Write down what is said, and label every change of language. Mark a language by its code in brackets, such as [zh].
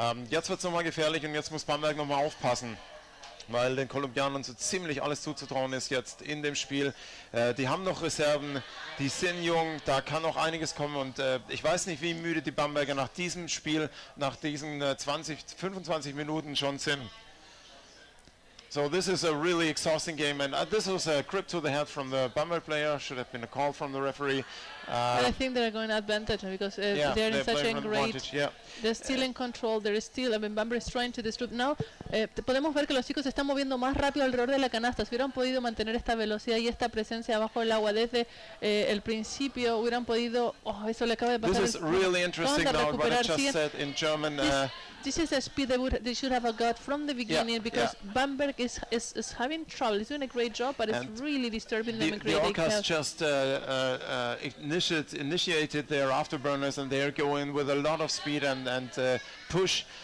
[de] Jetzt wird es nochmal gefährlich und jetzt muss Bamberg nochmal aufpassen, weil den Kolumbianern so ziemlich alles zuzutrauen ist jetzt in dem Spiel. Die haben noch Reserven, die sind jung, da kann noch einiges kommen. Und ich weiß nicht, wie müde die Bamberger nach diesem Spiel, nach diesen 20, 25 Minuten schon sind. [en] So this is a really exhausting game, and this was a grip to the head from the Bamberg player, should have been a call from the referee. I think they're going advantage because they're in such a great, they're still in control, they're still, I mean, Bamberg is trying to disrupt. [es] Now, podemos ver que los chicos se están moviendo más rápido alrededor de la canasta. Si hubieran podido mantener esta velocidad y esta presencia bajo el agua desde el principio, hubieran podido, oh, eso le acaba de pasar. [en] This is really interesting now, what I just said in German. This is a speed they should have got from the beginning, because Bamberg is having trouble. He's doing a great job, but it's really disturbing them. The Orcas just initiated their afterburners, and they're going with a lot of speed and push.